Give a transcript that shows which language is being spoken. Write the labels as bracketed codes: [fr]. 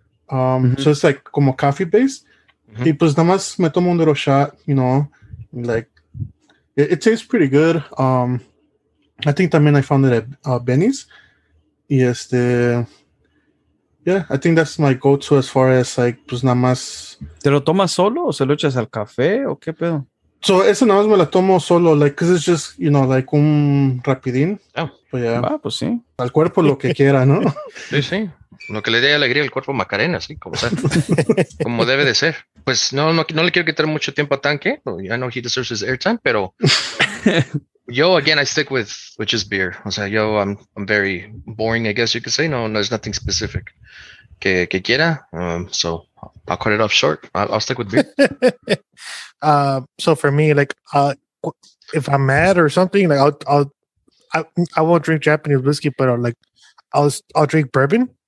[es] So it's like como coffee based. Y pues nada más me tomo un [en] little shot, you know, like it tastes pretty good. I think [es] también [en] I found it at Benny's. Y este, yeah, I think that's my go-to as far as like, [es] pues nada más. ¿Te lo tomas solo o se lo echas al café o qué pedo? So ese nada más me la tomo solo, like, [en] because it's just, you know, [es] like un rapidín. Oh, but yeah. Ah, pues sí. Al cuerpo lo que quiera, ¿no? Sí, sí. Lo que le dé alegría al cuerpo, Macarena, sí, como tal. Como debe de ser. Pues no le quiero quitar mucho tiempo a Tanque. [en] I know he deserves his airtime, [es] pero yo, [en] again, I stick with just beer. [es] O sea, yo, [en] I'm very boring, I guess you could say. No, there's nothing specific [es] que quiera. [en] So I'll cut it off short. I'll stick with beer. So for me, like, if I'm mad or something, like, I won't drink Japanese whiskey, but I'll drink bourbon.